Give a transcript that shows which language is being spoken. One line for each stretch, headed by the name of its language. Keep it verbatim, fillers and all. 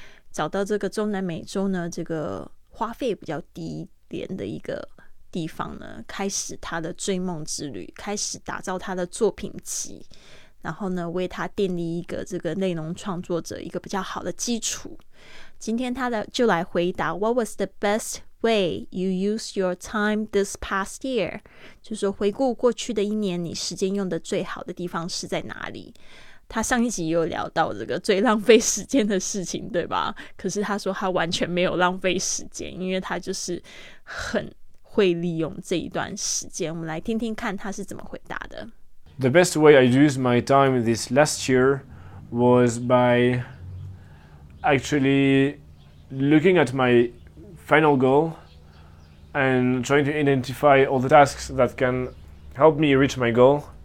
Chinese: 找到这个中南美洲呢，这个花费比较低一点的一个地方呢，开始他的追梦之旅，开始打造他的作品集，然后呢，为他建立一个这个内容创作者一个比较好的基础。今天他的就来回答
English: What was the best way you used your time this past year？
Chinese: 就是说回顾过去的一年，你时间用的最好的地方是在哪里？他上一集有聊到这个最浪费时间的事情，对吧？可是他说他完全没有浪费时间，因为他就是很会利用这一段时间。我们来听听看他是怎么回答的。
English: The best way I used my time this last year was by actually looking at my final goal and trying to identify all the tasks that can help me reach my goal.